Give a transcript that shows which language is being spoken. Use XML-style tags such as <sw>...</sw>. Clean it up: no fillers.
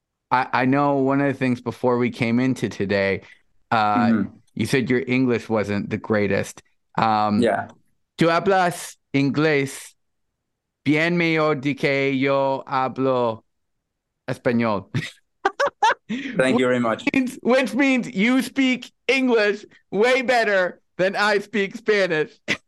<en>I know one of the things before we came into today, you said your English wasn't the greatest.</en> <es>Tú hablas inglés bien mejor de que yo hablo español.</es> <en>Thank you very much. Which means you speak English way better than I speak Spanish.</en>